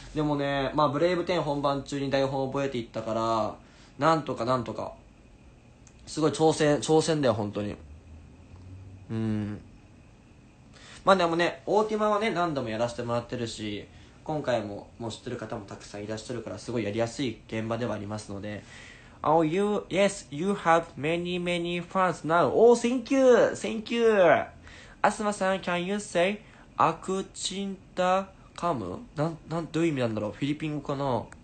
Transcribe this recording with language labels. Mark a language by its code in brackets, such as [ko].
[ja] でもね、まあブレイブ10本番中に台本覚えていったから、なんとかすごい挑戦だよ本当に。うーん、まあでもねオーティマはね何度もやらせてもらってるし、今回ももう知ってる方もたくさんいらっしゃるから、すごいやりやすい現場ではありますので。 [en] Oh, you, yes, you have many, many fans now. Oh, thank you, thank you. アスマさん、can you say, アクチンタカム？ [ja] なんどういう意味なんだろう？フィリピン語かな？